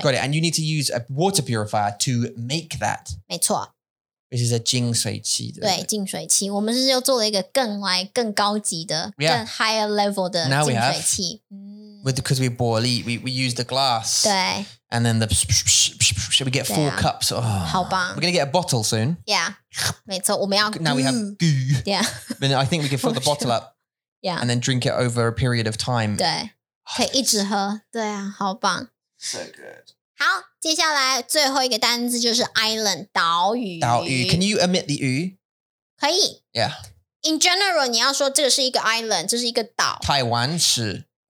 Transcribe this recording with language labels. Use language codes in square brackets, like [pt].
[en] Got it, and you need to use a water purifier to make that. [zh] 没错。 [en] Which is a 净水器的。 [zh] 对净水器我们是又做了一个 更高级的、 [en] yeah. [zh] 更 [en] higher level [zh] 的净水器。 [en] Now we have. Because we boil it, we use the glass. [zh] 对 [en] And then the... Should we get four、啊、cups? Oh, [zh] 好棒 [en] We're going to get a bottle soon. [zh] Yeah, 没错我们要 [en] Now we have goo. Yeah. But I think we can fill the bottle up. Yeah. And then drink it over a period of time. [zh] 对、oh, 可以一直喝对啊好棒 [en] So good. [zh] 好接下来最后一个单字就是 island, 岛屿 [en] 岛屿 Can you omit the 屿 [zh] 可以 [en] Yeah. In general, [zh] 你要说这个是一个 island, 这是一个岛台湾是